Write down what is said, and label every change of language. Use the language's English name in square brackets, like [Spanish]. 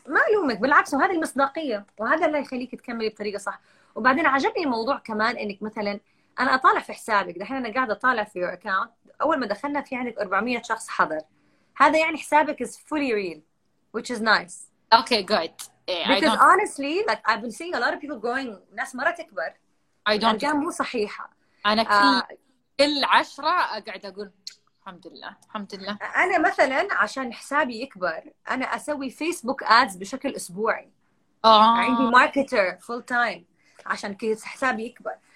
[Arabic] ما ألومك بالعكس، وهذه المصداقية وهذا اللي يخليك تكملي بطريقة صح. وبعدين عجبني الموضوع كمان إنك مثلا أنا أطالع في حسابك دحين، أنا قاعدة أطالع في [English] your account [Arabic] أول ما دخلنا في عندك 400 شخص حضر، هذا يعني حسابك [English] is fully real. Which is nice. Okay, good. Yeah, because I don't... honestly, like I've been seeing a lot of people growing. [Arabic] ناس مرة تكبر. [English] I don't. [Arabic] الأرقام مو صحيحة. أنا كل 10 قاعد أقول الحمد لله الحمد لله. أنا مثلاً عشان حسابي يكبر أنا أسوي فيسبوك أدز بشكل أسبوعي. عندي ماركتر فول تايم عشان كيف حسابي يكبر.